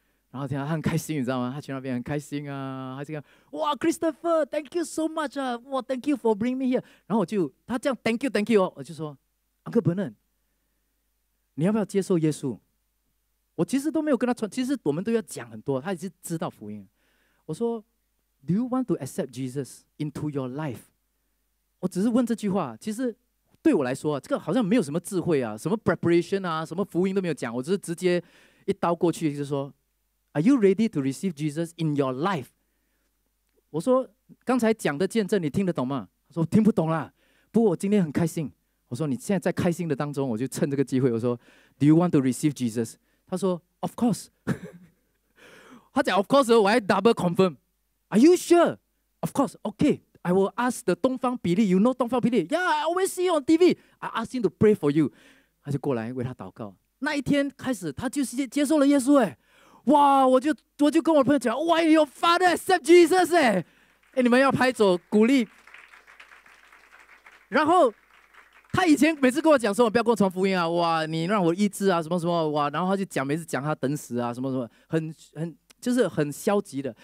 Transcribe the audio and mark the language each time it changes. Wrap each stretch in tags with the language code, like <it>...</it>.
<zh>然后听到他很开心，你知道吗？他去那边很开心啊，他就讲哇 ，Christopher，</zh> <en>thank you so much</en> <zh>啊，哇 ，</zh> <en>thank you for bring me here。</en> <zh>然后我就他这样</zh> <en>thank you thank you</en> <zh>哦，我就说 Uncle Bernard， 你要不要接受耶稣？我其实都没有跟他传，其实我们都要讲很多，他已经知道福音。我说</zh> <en>，Do you want to accept Jesus into your life？</en> <zh>我只是问这句话，其实对我来说，这个好像没有什么智慧啊，什么 preparation 啊，什么福音都没有讲，我只是直接一刀过去，就说。</zh> <en>Are you ready to receive Jesus in your life?</en> <zh>我说刚才讲的见证你听得懂吗？他说听不懂啦，不过我今天很开心。我说你现在在开心的当中，我就趁这个机会，我说</zh> <en>Do you want to receive Jesus?</en> <zh>他说</zh> <en>Of course.</en> <zh>他讲</zh> <en>Of course</en> <zh>的时候，我还</zh> <en>double confirm. Are you sure? Of course. Okay. I will ask the 东方比利 You know 东方比利 Yeah, I always see you on TV. I ask him to pray for you.</en> <zh>他就过来为他祷告。那一天开始他就接受了耶稣耶。哇！我就跟我朋友讲，哇 ，</zh> <en>Your father accept Jesus</en> <zh>哎，你们要拍手鼓励。然后他以前每次跟我讲说，不要跟我传福音啊，哇，你让我医治啊，什么什么哇，然后他就讲，每次讲他等死啊，什么什么，很就是很消极的。</zh>